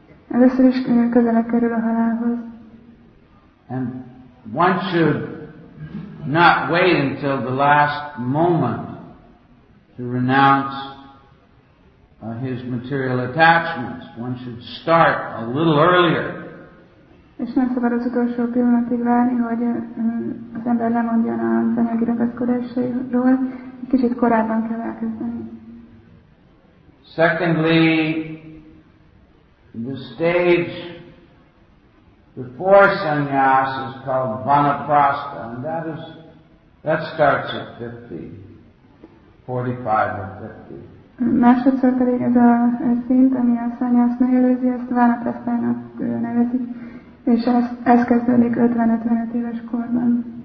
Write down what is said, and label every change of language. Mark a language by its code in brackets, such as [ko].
[hu] Először is közelebb kerül a halálhoz. [en] And one should not wait until the last moment to renounce his material attachments. One should start a little earlier. [hu] És nem szabad az utolsó pillanatig várni, hogy az ember lemondjon az anyagi ragaszkodásairól. Egy kicsit korábban kell elkezdeni. [en] Secondly, the stage before sannyas is called vanaprastha, and that starts at 50, 45 or 50. [hu] Másodszor pedig ez a szint, ami a sannyas megelőzi, ezt vanaprasthának nevezik. És ez kezdődik 50-55 éves korban.